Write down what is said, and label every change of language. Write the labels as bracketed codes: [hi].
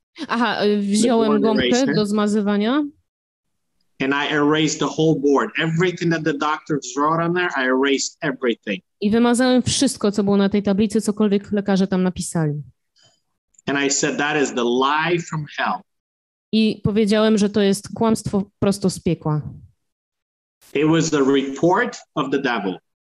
[pl] Aha, wziąłem gąbkę do zmazywania. [en] And I erased the whole board. Everything that the doctors wrote on there, I erased everything. [pl] I wymazałem wszystko, co było na tej tablicy, cokolwiek lekarze tam napisali. [en] And I said, that is the lie from hell. [pl] I powiedziałem, że to jest kłamstwo prosto z piekła. [en] It was the report of the devil.